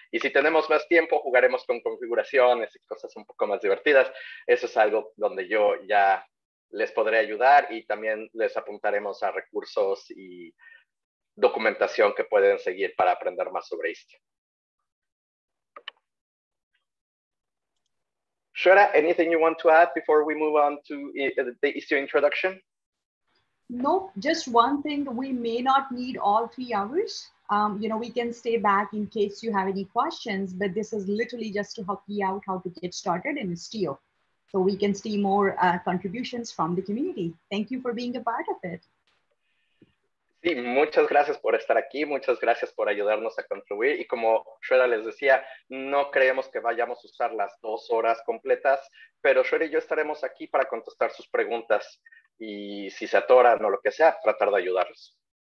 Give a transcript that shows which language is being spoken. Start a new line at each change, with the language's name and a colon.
Spanish: Y si tenemos más tiempo, jugaremos con configuraciones y cosas un poco más divertidas. Eso es algo donde yo ya les podré ayudar y también les apuntaremos a recursos y documentación que pueden seguir para aprender más sobre Istio.
English: Shweta, anything you want to add before we move on to the Istio introduction? No, just one thing. We may not need all 3 hours. You know, we can stay back in case you have any questions, but this is literally just to help you out how to get started in Istio. So we can see more contributions from the community. Thank you for being a part of it.
Spanish: Sí, muchas gracias por estar aquí. Muchas gracias por ayudarnos a contribuir. Y como Shweta les decía, no creemos que vayamos a usar las 2 horas completas, pero Shweta y yo estaremos aquí para contestar sus preguntas. Y si se atoran o lo que sea, tratar de ayudarlos.